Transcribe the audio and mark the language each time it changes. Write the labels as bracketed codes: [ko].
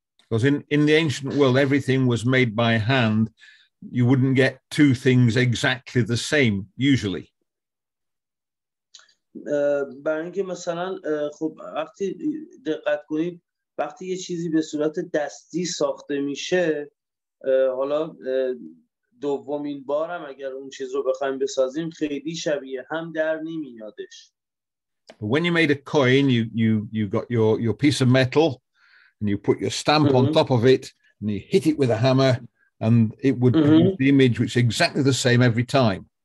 [en] Because in the ancient world everything was made by hand, you wouldn't get two things exactly the same usually. [fa] برای اینکه مثلا خب وقتی دقت کنید، وقتی یه چیزی به صورت دستی ساخته میشه، حالا دومین بارم اگر اون چیز رو بخوایم بسازیم خیلی شبیه هم در نمیادش. [en] When you made a coin, you got your piece of metal and you put your stamp on top of it and you hit it with a hammer and it would produce the image which is exactly the same every time.